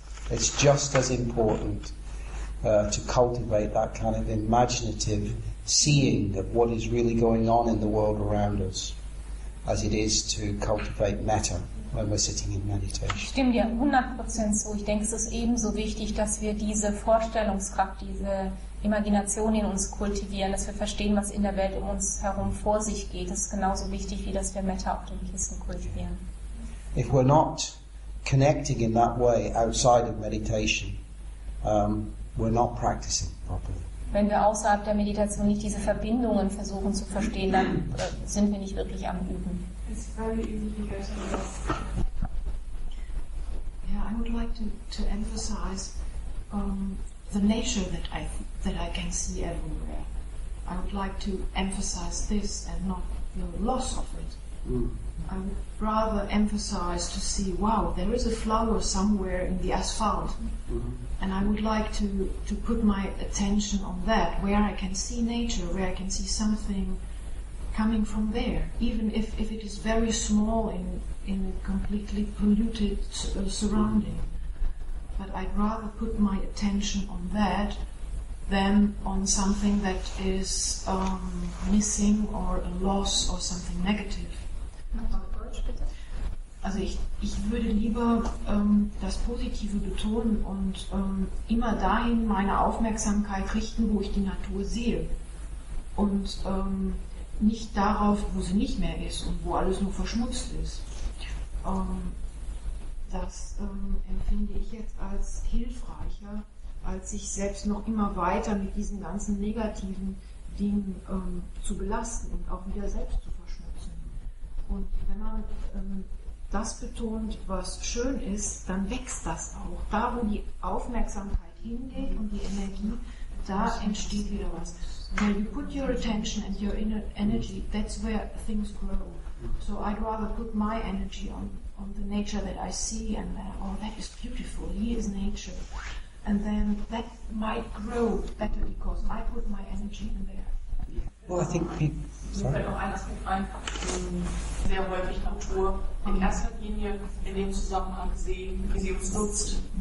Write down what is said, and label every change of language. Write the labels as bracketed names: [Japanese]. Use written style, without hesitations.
[English] It's just as important to cultivate that kind of imaginative seeing of what is really going on in the world around us as it is to cultivate metta when we're sitting in meditation. [German] Ich stimme dir 100% zu. Ich denke, es ist ebenso wichtig, dass wir diese Vorstellungskraft, diese Imagination in uns kultivieren, dass wir verstehen, was in der Welt um uns herum vor sich geht. Das ist genauso wichtig, wie dass wir Metta auf dem Kissen kultivieren. [English] If we're not connecting in that way outside of meditation, we're not practicing properly. [German] Wenn wir außerhalb der Meditation nicht diese Verbindungen versuchen zu verstehen, dann sind wir nicht wirklich am Üben. [English] It's very easy to get. Yeah, I would like to emphasize the nature that I can see everywhere. I would like to emphasize this and not the loss of it. Mm. I would rather emphasize to see, wow, there is a flower somewhere in the asphalt. Mm-hmm. And I would like to put my attention on that, where I can see nature, where I can see something coming from there, even if it is very small in a completely polluted surrounding. Mm. But I'd rather put my attention on that than on something that is missing or a loss or something negative. [German] Also ich würde lieber das Positive betonen und immer dahin meine Aufmerksamkeit richten, wo ich die Natur sehe. Und nicht darauf, wo sie nicht mehr ist und wo alles nur verschmutzt ist. Das empfinde ich jetzt als hilfreicher, als sich selbst noch immer weiter mit diesen ganzen negativen Dingen zu belasten und auch wieder selbst zu verschmutzen. Und wenn man das betont, was schön ist, dann wächst das auch. Da, wo die Aufmerksamkeit hingeht und die Energie, da entsteht wieder was. [English] Where you put your attention and your inner energy, that's where things grow. So I'd rather put my energy on the nature that I see, and then, oh, that is beautiful, he is nature. And then that might grow better because I put my energy in there. Well, I think people... [German] Mir fällt noch ein Aspekt ein, sehr häufig Natur in erster Linie in dem Zusammenhang sehen, wie sie uns nutzt.